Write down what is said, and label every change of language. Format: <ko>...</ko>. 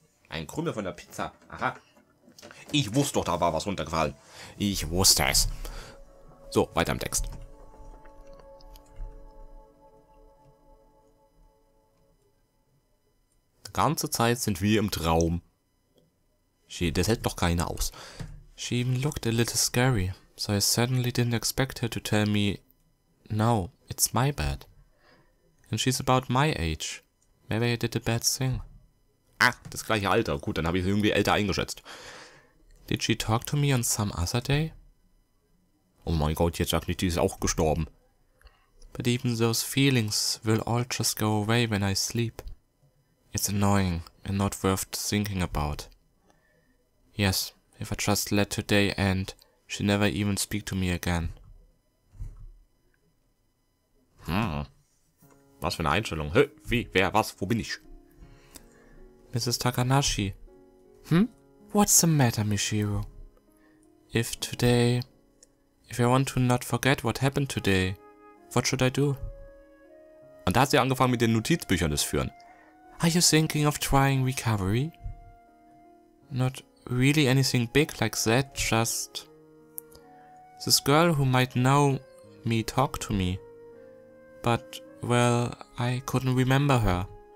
<de>Ein Krümel von der Pizza. Aha. Ich wusste doch, da war was runtergefallen. Ich wusste es. So, weiter im Text. Die ganze Zeit sind wir im Traum. Das hält doch keiner aus.</de> <en>She even looked a little scary, so I certainly didn't expect her to tell me, no, it's my bad. And she's about my age. Maybe I did a bad thing.</en> <de>Ah, das gleiche Alter. Gut, dann habe ich sie irgendwie älter eingeschätzt.</de> <en>Did she talk to me on some other day?</en> <de>Oh mein Gott, jetzt sag nicht, die ist auch gestorben.</de> <en>But even those feelings will all just go away when I sleep. It's annoying and not worth thinking about. Yes, if I just let today end, she never even speak to me again.</en> <de>Was für eine Einstellung. Hä? Wie? Wer? Was? Wo bin ich?</de> <en>Mrs. Takanashi. What's the matter, Mishiro? If I want to not forget what happened today, what should I do?</en> <de>Und da hat sie angefangen mit den Notizbüchern des Führen.</de> <en>Are you thinking of trying recovery? Not really anything big like that, just this girl who might know me talk to me, but well, I couldn't remember her.</en>